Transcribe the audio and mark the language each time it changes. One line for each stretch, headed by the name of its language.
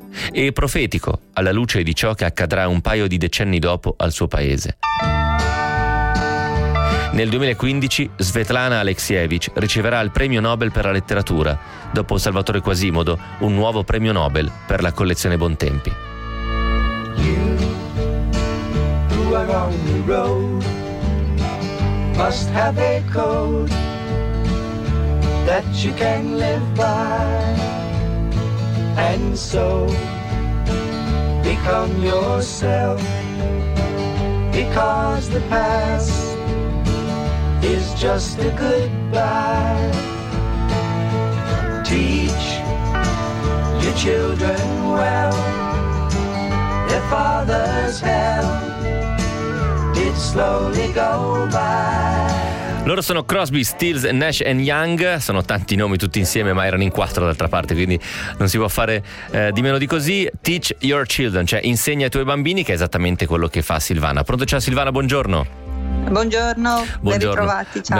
Italian: E profetico alla luce di ciò che accadrà un paio di decenni dopo al suo paese. Nel 2015 Svetlana Alexievich riceverà il premio Nobel per la letteratura, dopo Salvatore Quasimodo un nuovo premio Nobel per la collezione Bontempi.
English: You, who are on the road, must have a code that you can live by, and so become yourself, because the past is just a goodbye. Teach your children well. Their father's hell did slowly go by.
Italian: Loro sono Crosby, Stills, Nash and Young, sono tanti nomi tutti insieme, ma erano in quattro d'altra parte, quindi non si può fare di meno di così.
English: Teach your children,
Italian: cioè insegna ai tuoi bambini, che è esattamente quello che fa Silvana. Pronto, ciao Silvana, buongiorno. Buongiorno, ben ritrovati, ciao.